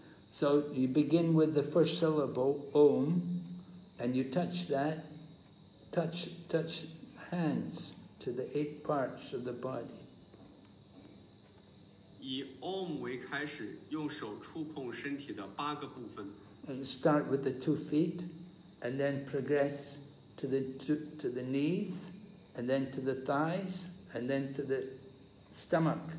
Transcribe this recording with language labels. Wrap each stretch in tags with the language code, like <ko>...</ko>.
<en>So you begin with the first syllable, Om, and you touch that, touch hands to the eight parts of the body.</en> <zh>以Om为开始，用手触碰身体的八个部分。</zh> <en>And start with the 2 feet, and then progress to the knees, and then to the thighs, and then to the stomach.</en>